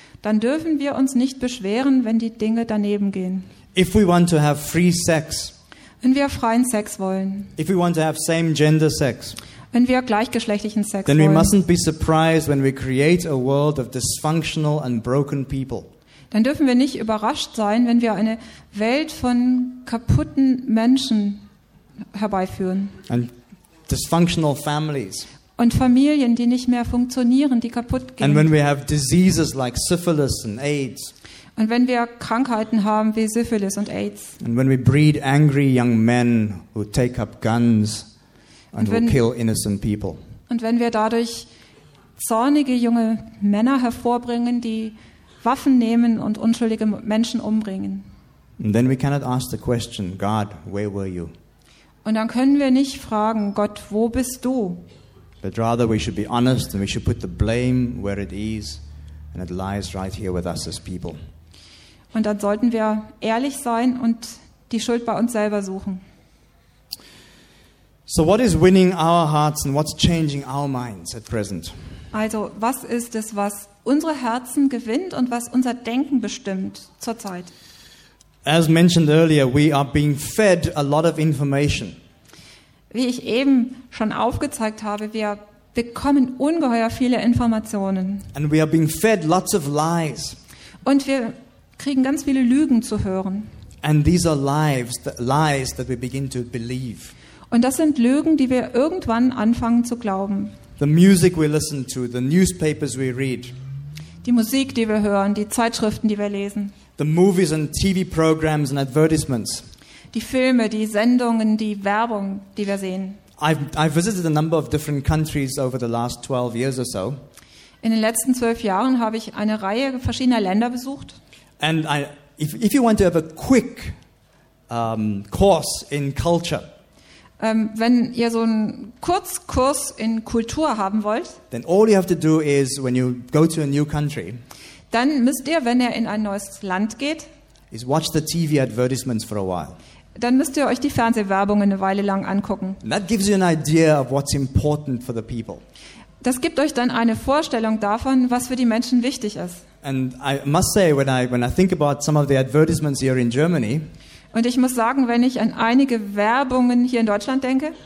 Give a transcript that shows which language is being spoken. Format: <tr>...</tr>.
<de>Dann dürfen wir uns nicht beschweren, wenn die Dinge daneben gehen.</de> <en>If we want to have free sex,</en> <de>wenn wir freien Sex wollen,</de> <en>if we want to have same gender sex,</en> <de>wenn wir gleichgeschlechtlichen Sex</de> <en>then</en> <de>wollen,</de> <en>we mustn't be surprised when we create a world of dysfunctional and broken people.</en> <de>Dann dürfen wir nicht überrascht sein, wenn wir eine Welt von kaputten Menschen herbeiführen.</de> <en>And dysfunctional families.</en> <de>Und Familien, die nicht mehr funktionieren, die kaputt gehen.</de> <en>And when we have diseases like syphilis and AIDS.</en> <de>Und wenn wir Krankheiten haben wie Syphilis und AIDS.</de> <en>And when we breed angry young men who take up guns and will kill innocent people.</en> <de>Und wenn wir dadurch zornige junge Männer hervorbringen, die Waffen nehmen und unschuldige Menschen umbringen.</de> <en>And then we cannot ask the question, God, where were you?</en> <de>Und dann können wir nicht fragen, Gott, wo bist du?</de> <en>But rather we should be honest and we should put the blame where it is and it lies right here with us as people.</en> <de>Und dann sollten wir ehrlich sein und die Schuld bei uns selber suchen.</de> <en>So what is winning our hearts and what's changing our minds at present?</en> <de>Also, was ist es, was unsere Herzen gewinnt und was unser Denken bestimmt zurzeit?</de> <en>As mentioned earlier, we are being fed a lot of information.</en> <de>Wie ich eben schon aufgezeigt habe, wir bekommen ungeheuer viele Informationen.</de> <en>And we are being fed lots of lies.</en> <de>Und wir kriegen ganz viele Lügen zu hören.</de> <en>And these are lies that we begin to believe.</en> <de>Und das sind Lügen, die wir irgendwann anfangen zu glauben.</de> <en>The music we listen to, the newspapers we read.</en> <de>Die Musik, die wir hören, die Zeitschriften, die wir lesen.</de> <en>The movies and TV programs and advertisements.</en> <de>Die Filme, die Sendungen, die Werbung, die wir sehen.</de> <en>I've visited a number of different countries over the last 12 years or so.</en> <de>In den letzten 12 Jahren habe ich eine Reihe verschiedener Länder besucht.</de> <en>And if you want to have a quick course in culture.</en> <de>Wenn ihr so einen Kurzkurs in Kultur haben wollt,</de> <en>then all you have to do is when you go to a new country.</en> <de>Dann müsst ihr, wenn ihr in ein neues Land geht,</de> <en>is watch the TV advertisements for a while.</en> <de>Dann müsst ihr euch die Fernsehwerbungen eine Weile lang angucken.</de> <en>And that gives you an idea of what's important for the people.</en> <de>Das gibt euch dann eine Vorstellung davon, was für die Menschen wichtig ist.</de> <en>And I must say, when I think about some of the advertisements here in Germany.</en> <de>Und ich muss sagen, wenn ich an einige Werbungen hier in Deutschland denke.</de>